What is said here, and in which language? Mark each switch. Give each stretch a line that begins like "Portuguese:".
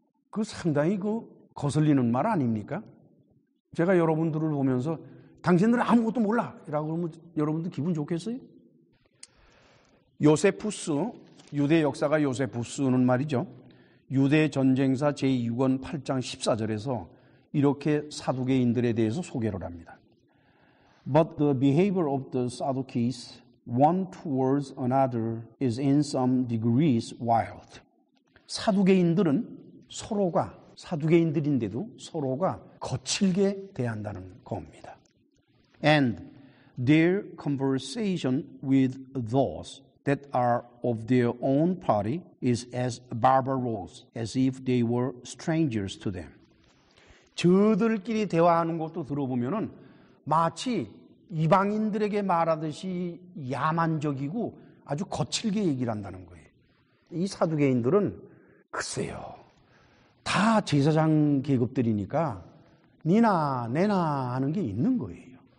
Korean: 그 상당히 그 거슬리는 말 아닙니까? 제가 여러분들을 보면서 당신들 아무것도 몰라 라고 그러면 여러분들 기분 좋겠어요? 요세푸스, 유대 역사가 요세푸스는 말이죠. 유대 전쟁사 제2권 8장 14절에서 이렇게 사두개인들에 대해서 소개를 합니다.
English: But the behavior of the Sadducees one towards another is in some degrees wild.
Korean: 사두개인들은 서로가 사두개인들인데도 서로가 거칠게 대한다는 겁니다.
English: And their conversation with those that are of their own party is as barbarous as if they were strangers to them.
Korean: 저들끼리 대화하는 것도 들어보면은 마치 이방인들에게 말하듯이 야만적이고 아주 거칠게 얘기를 한다는 거예요. 이 사두개인들은 글쎄요. 다 제사장 계급들이니까 니나 내나 하는 게 있는 거예요.